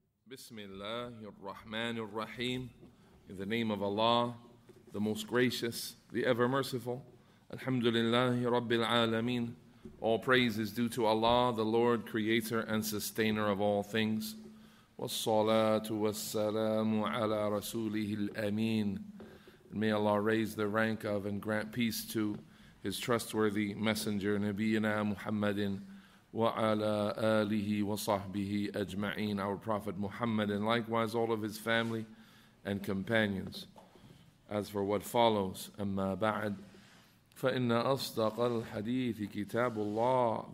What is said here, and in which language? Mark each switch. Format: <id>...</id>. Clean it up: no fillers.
<ar>Bismillahir Rahmanir Rahim.</ar> <en>In the name of Allah, the Most Gracious, the Ever Merciful.</en> <ar>Alhamdulillahi Rabbil Alameen.</ar> <en>All praise is due to Allah, the Lord, Creator and Sustainer of all things.</en> <ar>والصلاة والسلام على رسوله الأمين.</ar> <en>May Allah raise the rank of and grant peace to His trustworthy messenger,</en> <ar>Nabiyyina Muhammadin, wa ala alihi wa sahbihi ajma'in,</ar> <en>our Prophet Muhammad, and likewise all of his family and companions. As for what follows,</en> <ar>amma ba'd, فَإِنَّ أَصْدَقَ الْحَدِيثِ كِتَابُ اللَّهِ.</ar>